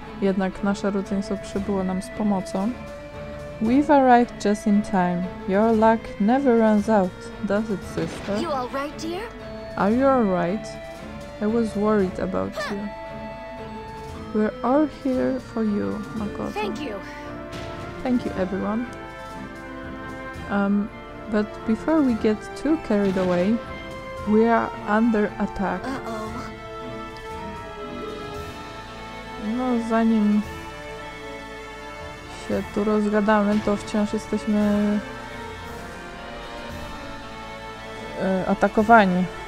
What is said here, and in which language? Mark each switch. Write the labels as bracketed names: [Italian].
[Polish] Jednak nasze rodzeństwo przybyło nam z pomocą. [English] We've arrived just in time. Your luck never runs out, does it, sister? You all right, dear? Are you all right? I was worried about you. We're all here for you, Makoto. Thank you. Thank you, everyone. But before we get too carried away, we are under attack. Uh-oh. [Polish] No, zanim się tu rozgadamy, to wciąż jesteśmy atakowani.